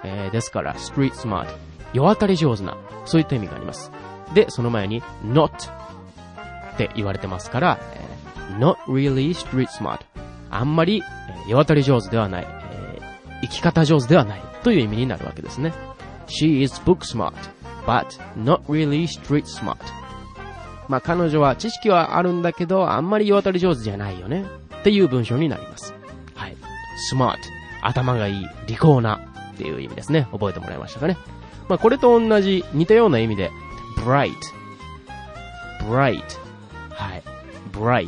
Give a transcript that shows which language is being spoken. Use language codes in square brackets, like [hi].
[ja] ですから、street smart。世当たり上手な、そういった意味があります。で、その前に、not って言われてますから、 [en] not really street smart。 [ja] あんまり、世当たり上手ではない、生き方上手ではないという意味になるわけですね。 [en] She is book smart, but not really street smart。 [ja] まあ、彼女は知識はあるんだけど、あんまり世当たり上手じゃないよね。っていう文章になります。はい。smart。 頭がいい、利口な。っていう意味ですね。覚えてもらいましたかね。まあ、これと同じ、似たような意味で、bright。bright。 はい。bright。